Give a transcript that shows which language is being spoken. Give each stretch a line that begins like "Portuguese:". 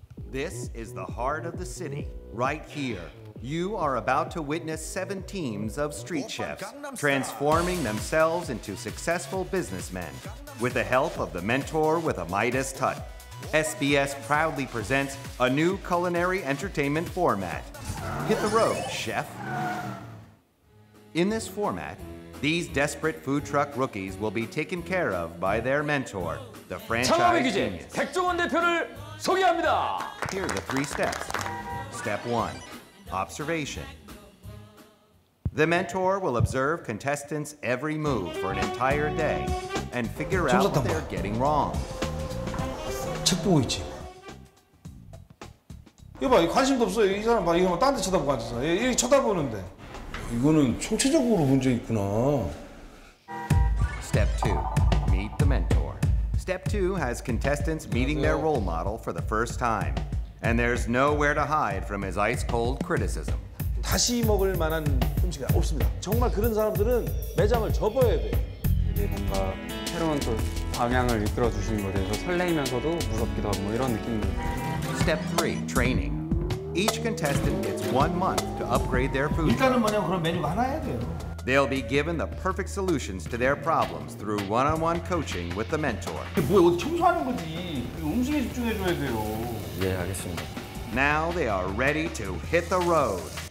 English: This is the heart of the city, right here. You are about to witness seven teams of street chefs transforming themselves into successful businessmen with the help of the mentor with a Midas touch. SBS proudly presents a new culinary entertainment format, Hit the Road, Chef. In this format, these desperate food truck rookies will be taken care of by their mentor, the franchise genius.
Korean: 백종원 대표를 소개합니다.
English: Here are the three steps. Step one, observation. The mentor will observe contestants' every move for an entire day and figure out what they're getting wrong.
Korean: 책 보고 있지. 이거 봐, 관심도 없어. 이 사람 봐, 이 사람 딴데 쳐다보고 앉아서. 얘 쳐다보는데. 이거는 총체적으로 문제 있구나.
English: Step 2, meet the mentor. Step 2 has contestants meeting their role model for the first time. And there's nowhere to hide from his ice-cold criticism.
Korean: 다시 먹을 만한 음식이 없습니다. 정말 그런 사람들은 매장을 접어야 돼. 이게 뭔가 새로운 또 방향을 이끌어 주시는 거 대해서 설레이면서도 무섭기도 하고 뭐 이런 느낌이.
English: Step 3, training. Each contestant gets 1 month to upgrade their food.
Korean: 일단은 뭐냐 그런 메뉴가 하나야 돼요.
English: They'll be given the perfect solutions to their problems through one-on-one coaching with the mentor.
Korean: 이게 뭐야, 어디 청소하는 거지. 음식에 집중해 줘야 돼요. 예, 알겠습니다.
English: Now they are ready to hit the road.